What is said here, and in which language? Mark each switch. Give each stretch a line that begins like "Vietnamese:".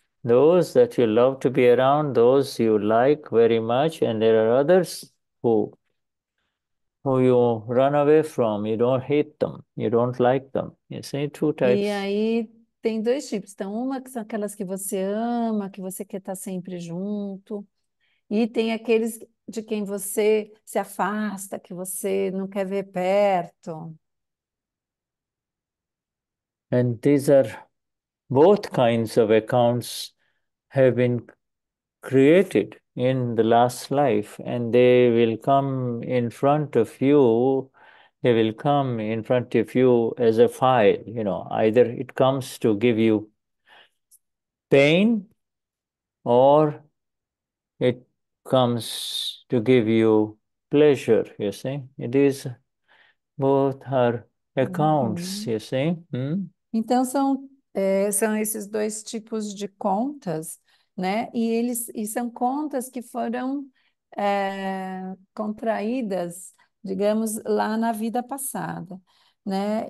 English: Those that you love to be around, those you like very much, and there are others who you run away from. You don't hate them. You don't like them. You see two
Portuguese: E
English: types.
Portuguese: aí tem dois tipos. Então, uma que são aquelas que você ama, que você quer estar sempre junto, e tem aqueles de quem você se afasta, que você não quer ver perto.
English: And these are both kinds of accounts have been created in the last life, and they will come in front of you. They will come in front of you as a file, you know, either it comes to give you pain or it comes to give you pleasure, you see. It is both are accounts, you see.
Portuguese: Então são esses dois tipos de contas, né? E são contas que foram contraídas, digamos, lá na vida passada, né?